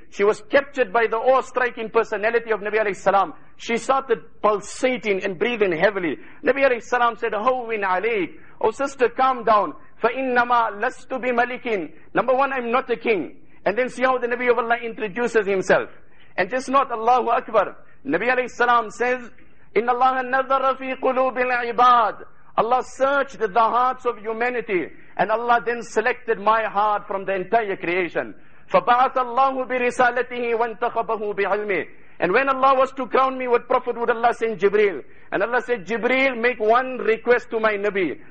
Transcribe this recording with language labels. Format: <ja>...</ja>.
<en>She was captured by the awe-striking personality of Nabi alayhi salam. She started pulsating and breathing heavily. Nabi alayhi salam said,</en> <ar>"Hawwin alayk.</ar> <en>Oh sister, calm down.</en> <ar>فَإِنَّمَا لَسْتُ بِمَلِكٍ."</ar> <en>Number one, I'm not a king. And then see how the Nabi of Allah introduces himself. And just not Allahu Akbar. Nabi alayhi salam says,</en> <ar>"إِنَّ اللَّهَ نَذَرَ فِي قُلُوبِ الْعِبَادِ."</ar> <en>Allah searched the hearts of humanity, and Allah then selected my heart from the entire creation.</en> <ar>فَبَعَثَ اللَّهُ بِرِسَالَتِهِ وَانْتَخَبَهُ بِعِلْمِهِ.</ar> <en>And when Allah was to crown me, what prophet would Allah send? Jibreel. And Allah said, "Jibreel, make one request to my Nabi.</en>